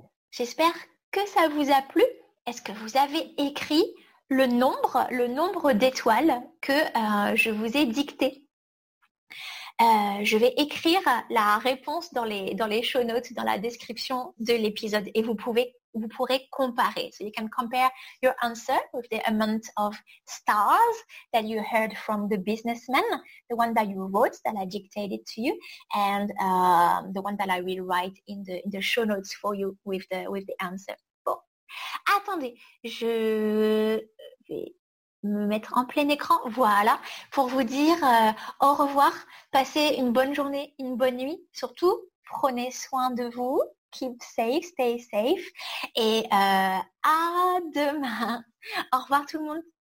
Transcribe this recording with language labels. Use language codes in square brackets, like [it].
[fr] J'espère que ça vous a plu. Est-ce que vous avez écrit le nombre d'étoiles que je vous ai dicté? Je vais écrire la réponse dans les show notes, dans la description de l'épisode, et vous pourrez comparer. [en] So you can compare your answer with the amount of stars that you heard from the businessman, the one that you wrote, that I dictated to you, and the one that I will write in the show notes for you with the answer. Bon, [fr] Attendez, je vais me mettre en plein écran, voilà, pour vous dire au revoir, passez une bonne journée, une bonne nuit, surtout prenez soin de vous, [en] keep safe, stay safe, [fr] et à demain. Au revoir tout le monde.